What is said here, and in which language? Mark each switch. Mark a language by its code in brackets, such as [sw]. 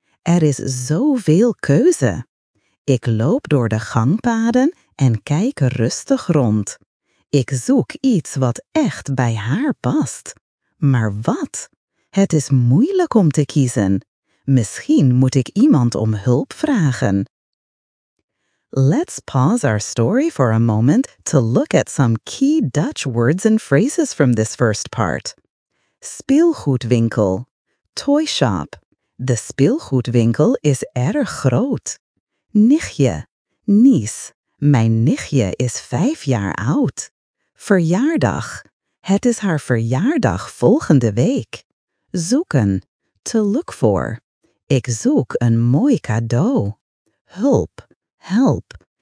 [nl] Er is zoveel keuze. Ik loop door de gangpaden en kijk rustig rond. Ik zoek iets wat echt bij haar past. Maar wat? Het is moeilijk om te kiezen. Misschien moet ik iemand om hulp vragen. [en] Let's pause our story for a moment to look at some key Dutch words and phrases from this first part. Speelgoedwinkel, toy shop. [nl] De speelgoedwinkel is erg groot. Nichtje, niece. Mijn nichtje is 5 jaar oud. Verjaardag. Het is haar verjaardag volgende week. Zoeken. [en] To look for. [nl] Ik zoek een mooi cadeau. Hulp. Help.